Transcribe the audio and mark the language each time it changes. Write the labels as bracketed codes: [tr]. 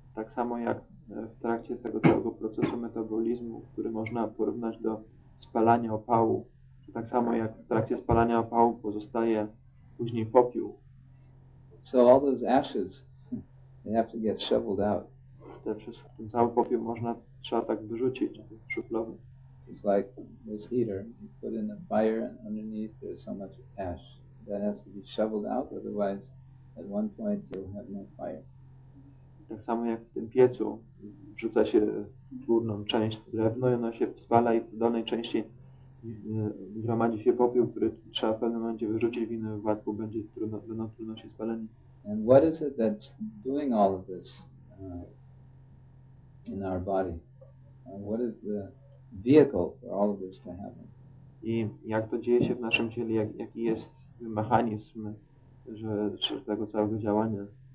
[pl] Tak samo jak w trakcie tego całego procesu metabolizmu, który można porównać do spalania opału, tak samo jak w trakcie spalania opału pozostaje później popiół. [en] So all those ashes, they have to get shoveled out. [pl] Ten cały popiół można, trzeba tak wyrzucić, szuflowy. [en] It's like this heater, you put in a fire and underneath there's so much ash. That has to be shoveled out, otherwise at one point you'll have no fire. [pl] Tak samo jak w tym piecu, wrzuca się górną część drewno i ono się spala i w dolnej części gromadzi się popiół, który trzeba w pewnym momencie wyrzucić, w innym wypadku będzie trudno się spalenie. [en] And what is it that's doing all of this? In our body. And what is the vehicle for all of this to happen? [pl] I jak to dzieje się w naszym ciele, jaki jest mechanizm tego całego działania?